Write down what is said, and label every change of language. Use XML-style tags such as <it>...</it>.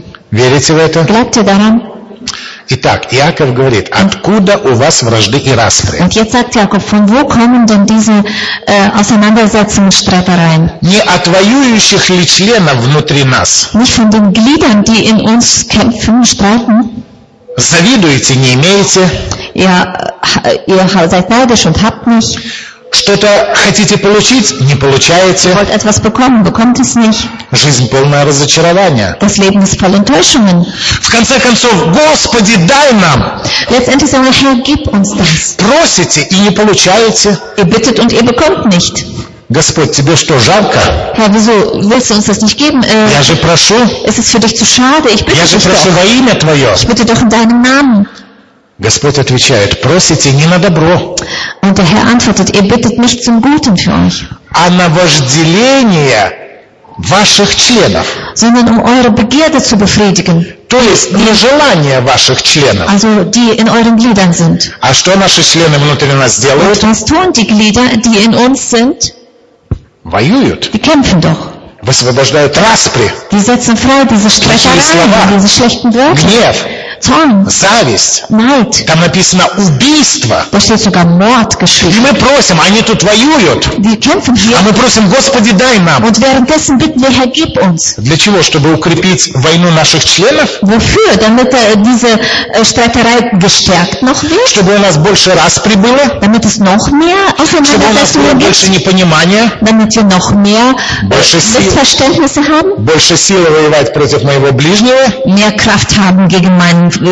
<ru>Верите в это? Итак, Иаков говорит, откуда у вас вражды и распри?</ru> <de>Und jetzt sagt Jakob, von wo kommen denn diese Auseinandersetzungen, Streitereien?</de> <ru>Не от воюющих ли членов внутри нас?</ru> <de>Nicht von den Gliedern, die in uns kämpfen, streiten?</de> <ru>Завидуете, не имеете?</ru> <de>Ihr seid neidisch und habt nicht.</de> <ru>Что-то хотите получить, не получаете.</ru> <de>Ihr wollt etwas bekommen, bekommt es nicht.</de> <ru>Жизнь полная разочарования.</ru> <de>Das Leben ist voll Enttäuschungen.</de> <ru>В конце концов, Господи, дай нам.</ru> <de>Letztendlich sagen wir, Herr, gib uns das.</de> <ru>Просите и не получаете.</ru> <de>Ihr bittet und ihr bekommt nicht.</de> <ru>Господь, тебе что, жарко?</ru> <de>Herr, wieso willst du uns das nicht geben?</de> <ru>Я же прошу.</ru> <de>Es ist für dich zu schade. Ich bitte</de> <ru>Я же прошу</ru> <de>doch.</de> <ru>Во имя Твое.</ru> <de>Ich bitte doch in deinem Namen.</de> <ru>Господь отвечает, просите не на добро.</ru> <de>Und der Herr antwortet, ihr bittet nicht zum Guten für euch.</de> <ru>А на вожделение ваших членов.</ru> <de>Sondern um eure Begierde zu befriedigen.</de> <ru>То есть, на желание ваших членов.</ru> <de>Also, die in euren Gliedern sind.</de> <ru>А что наши члены внутри нас делают?</ru> <de>Und was tun die Glieder, die in uns sind?</de> <ru>Воюют.</ru> <de>Die kämpfen doch.</de> <ru>Высвобождают распри.</ru> <de>Die setzen frei diese Streitereien, diese schlechten Wörter.</de> <ru>Гнев.</ru> <de>Zorn.</de> <ru>Зависть.</ru> <de>Neid.</de> <ru>Там написано убийство.</ru> <de>Da steht sogar Mord geschrieben.</de> <ru>И мы просим, они тут воюют.</ru> <de>Die kämpfen hier.</de> <ru>А мы просим, Господи, дай нам.</ru> <de>Und währenddessen bitten wir, Herr, gib uns.</de> <ru>Для чего? Чтобы укрепить войну наших членов?</ru> <de>Wofür? Damit diese Streiterei gestärkt noch wird.</de> <ru>Чтобы у нас больше распри было.</ru> <de>Damit es noch mehr auseinandersetzungen gibt.</de> <ru>Больше непонимания.</ru> <de>Damit wir noch mehr Missverständnisse haben.</de> <ru>Больше силы воевать против моего ближнего.</ru> <de>Mehr Kraft haben gegen meinen</de>